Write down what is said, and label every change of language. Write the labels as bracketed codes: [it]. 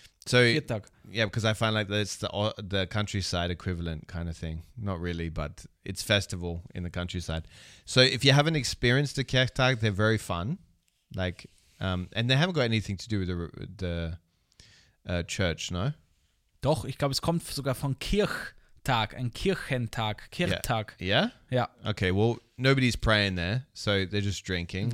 [en] So, yeah, because I find like that's the countryside equivalent kind of thing. Not really, but it's festival in the countryside. So if you haven't experienced the Kirchtag, they're very fun. Like, and they haven't got anything to do with the church, no? [de] Doch, ich glaube, es kommt sogar von Kirchtag, ein Kirchentag, Kirchtag. [en] Yeah? Okay, well, nobody's praying there, so they're just drinking.